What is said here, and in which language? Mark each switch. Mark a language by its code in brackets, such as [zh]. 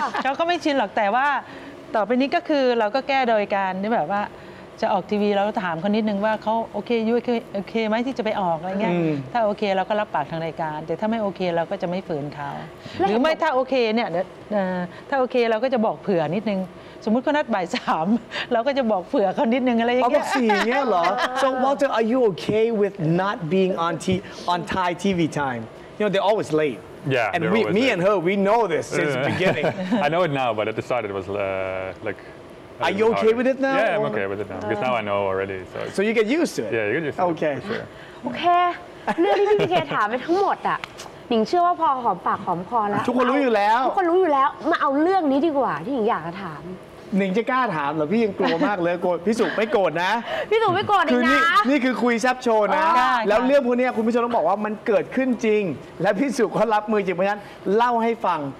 [th] เขาก็ไม่ชินหรอกแต่ว่าต่อไปนี้ก็คือเราก็แก้โดยการที่แบบว่าจะออกทีวีเราถามเขานิดนึงว่าเขาโอเคยุ้ยโอเคไหมที่จะไปออกอะไรเงี้ยถ้าโอเคเราก็รับปากทางรายการแต่ถ้าไม่โอเคเราก็จะไม่ฝืนเขาหรือไม่ถ้าโอเคเนี่ยถ้าโอเคเราก็จะบอกเผื่อนิดนึงสมมติเขานัดบ่ายสามเราก็จะบอกเผื่อเขานิดนึงอะไรอย่างเงี้ ย บอกสี่เงี้ยเหรอ [en] so Walter are you okay with not being on Thai TV time you know they're always late yeah and we, me and her we know this since the beginning I know it now but I decided it was like are you okay with it now yeah I'm okay with it now because now I know already so you get used to it yeah you get used to okay [th] โอเคเรื่องที่พี่เคถามไปทั้งหมดอ่ะหญิงเชื่อว่าพอหอมปากหอมคอแล้ว ทุกคนรู้อยู่แล้ว ทุกคนรู้อยู่แล้วมาเอาเรื่องนี้ดีกว่าที่หญิงอยากจะถาม หนิงจะกล้าถามเหรอพี่ยังกลัวมากเลยโกรธพี่สุไม่โกรธนะ พี่สุไม่โกรธนะ นี่คือคุยแซบโชว์นะแล้วเรื่องพวกนี้คุณผู้ชมต้องบอกว่ามันเกิดขึ้นจริงและพี่สุก็รับมือจริงเพราะฉะนั้นเล่าให้ฟัง